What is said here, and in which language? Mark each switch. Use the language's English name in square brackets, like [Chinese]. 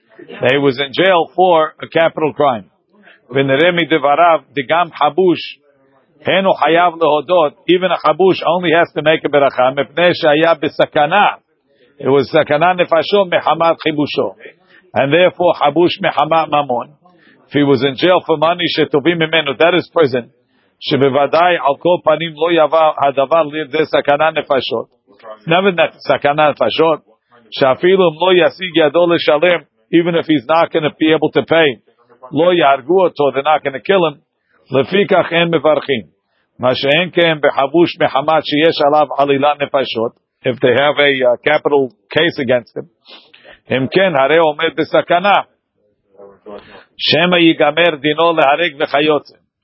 [English] He was in jail for a capital crime. [Hebrew] V'nereh midevarav digam habush henu chayav lehodot. [English] Even a habush only has to make a beracha [Hebrew] mepnei shehaya b'sakana. [English] It was [Hebrew] sakana nefashot mehamat chibusho. [English] And therefore [Hebrew] habush mehamat mamon. [English] If he was in jail for money shetovim memenu, that is prison. [Hebrew] שבוודאי על כל פנים לא יבוא הדבר לידי סכנה נפשות. נבנת סכנה נפשות, שאפילו אם לא ישיג ידו לשלם, [English] even if he's not going to be able to pay, [Hebrew] לא יהרגו אותו, [English] they're not going to kill him, [Hebrew] לפי כך אין מברכים. מה שאין כן בחבוש מחמת שיש עליו עלילה נפשות, [English] if they have a capital case against him, [Hebrew] אם כן הרי עומד בסכנה, שמה ייגמר דינו להרג וחיות זה.